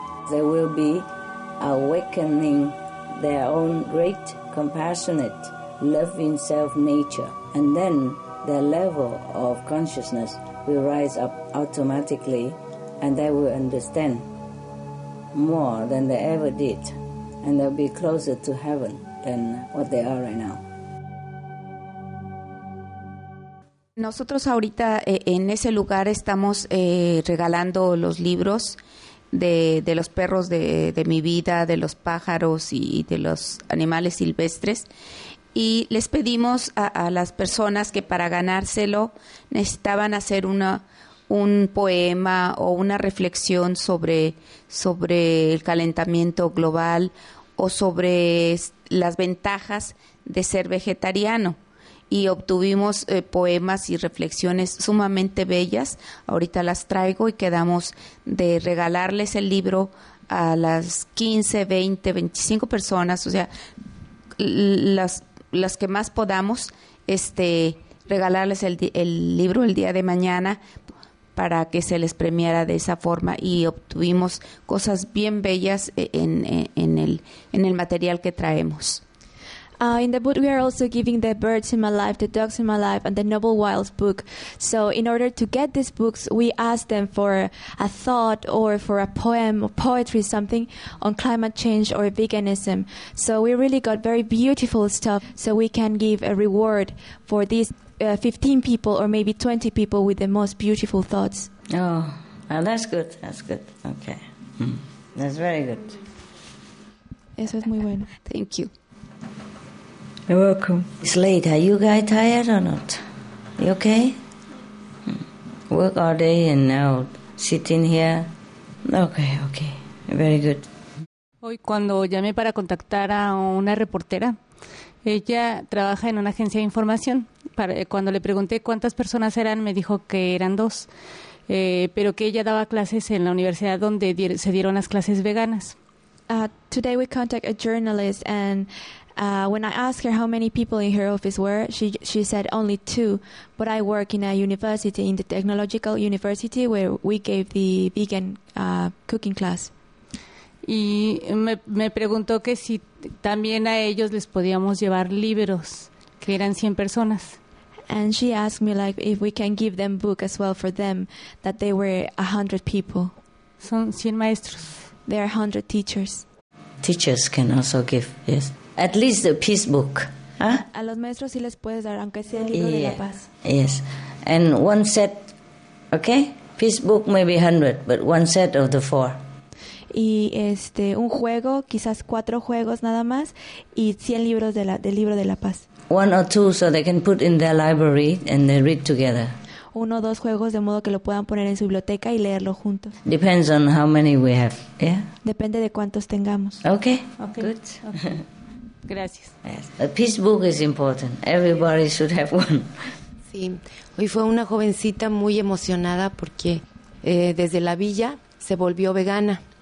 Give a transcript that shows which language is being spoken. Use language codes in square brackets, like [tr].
[en] There will be awakening their own great, compassionate, loving self-nature, and then their level of consciousness will rise up automatically, and they will understand more than they ever did, and they'll be closer to heaven than what they are right now. [es] Nosotros ahorita en ese lugar estamos regalando los libros de los perros de mi vida, de los pájaros y de los animales silvestres. Y les pedimos a las personas que para ganárselo necesitaban hacer un poema o una reflexión sobre el calentamiento global o sobre las ventajas de ser vegetariano. y obtuvimos poemas y reflexiones sumamente bellas. Ahorita las traigo y quedamos de regalarles el libro a las 15, 20, 25 personas, o sea, las que más podamos, regalarles el libro el día de mañana para que se les premiara de esa forma, y obtuvimos cosas bien bellas en el material que traemos. [en] In the book, we are also giving The Birds in My Life, The Dogs in My Life, and The Noble Wilds book. So in order to get these books, we asked them for a thought or for a poem or poetry, something on climate change or veganism. So we really got very beautiful stuff, so we can give a reward for these 15 people or maybe 20 people with the most beautiful thoughts. Oh, well, that's good. That's good. Okay. That's very good. [es] Eso es muy bueno. [en] Thank you. You're welcome. It's late. Are you guys tired or not? You okay? Work all day and now sitting here. Okay, okay. Very good. [es] Hoy cuando llamé para contactar a una reportera, ella trabaja en una agencia de información. Cuando le pregunté cuántas personas eran, me dijo que eran dos, pero que ella daba clases en la universidad donde se dieron las clases veganas. [en] Today we contact a journalist, and when I asked her how many people in her office were, she said only two, but I work in a university, in the technological university, where we gave the vegan cooking class. [es] Y me preguntó que si también a ellos les podíamos llevar libros, que eran 100 personas. [en] And she asked me like if we can give them book as well for them, that they were 100 people. [es] Son 100 maestros. [en] They are 100 teachers. Teachers can also give, yes. At least a peace book. [es] A los maestros sí les puedes dar, aunque sea el libro de la paz. [en] Yes. And one set, okay? Peace book maybe 100, but one set of the four. [es] Y un juego, quizás cuatro juegos nada más, y 100 libros del libro de la paz. [en] One or two so they can put in their library and they read together. [es] Uno o dos juegos de modo que lo puedan poner en su biblioteca y leerlo juntos. [en] Depends on how many we have, yeah? [es] Depende de cuántos tengamos. [en] Okay. Okay. Good. [es] Okay. Gracias. [en] Yes. A peace book is important. Everybody should have one. [es] Sí. Hoy fue una jovencita muy emocionada porque desde la villa se volvió vegana.